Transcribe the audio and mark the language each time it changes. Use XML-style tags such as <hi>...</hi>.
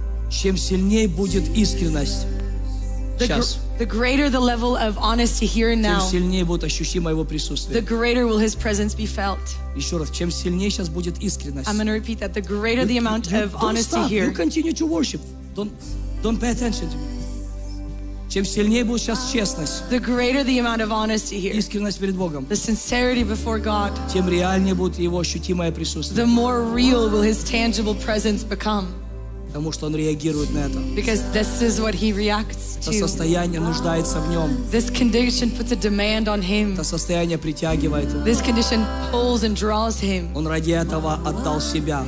<ru>Чем сильнее будет искренность сейчас,</ru> <en>the greater the level of honesty here and now,</en> <ru>тем сильнее будет ощущимо его присутствие.</ru> <en>The greater will his presence be felt.</en> <ru>Еще раз, чем сильнее сейчас будет искренность.</ru> <en>I'm going to repeat that. The greater the amount of honesty here. You continue to worship. Don't pay attention to me.</en> <ru>Чем сильнее будет сейчас честность.</ru> <en>The greater the amount of honesty here.</en> <ru>Искренность перед Богом.</ru> <en>The sincerity before God.</en> <ru>Тем реальнее будет его ощутимое присутствие.</ru> <en>The more real will his tangible presence become.</en> <ru>Потому что он реагирует на это.</ru> <en>Because this is what he reacts to.</en> <ru>Это состояние нуждается в нем.</ru> <en>This condition puts a demand on him.</en> <ru>Это состояние притягивает его.</ru> <en>This condition pulls and draws him.</en> <ru>Он ради этого отдал себя.</ru>